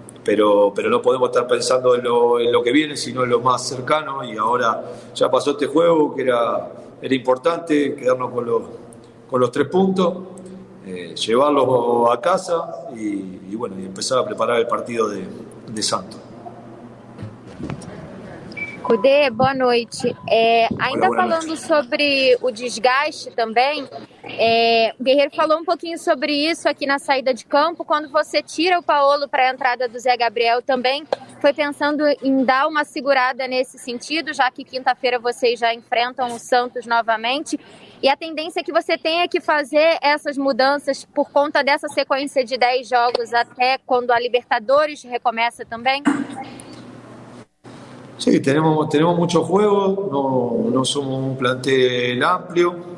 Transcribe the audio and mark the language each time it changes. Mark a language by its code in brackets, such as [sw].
[es] Pero no podemos estar pensando en lo que viene, sino en lo más cercano. Y ahora ya pasó este juego, que era importante quedarnos con los tres puntos, llevarlos a casa y bueno, y empezar a preparar el partido de Santos. [pt] Cudê, boa noite. Ainda falando sobre o desgaste também, o Guerreiro falou um pouquinho sobre isso aqui na saída de campo. Quando você tira o Paolo para a entrada do Zé Gabriel também, foi pensando em dar uma segurada nesse sentido, já que quinta-feira vocês já enfrentam o Santos novamente. E a tendência é que você tenha que fazer essas mudanças por conta dessa sequência de 10 jogos até quando a Libertadores recomeça também? [es] Sí, tenemos muchos juegos, no somos un plantel amplio.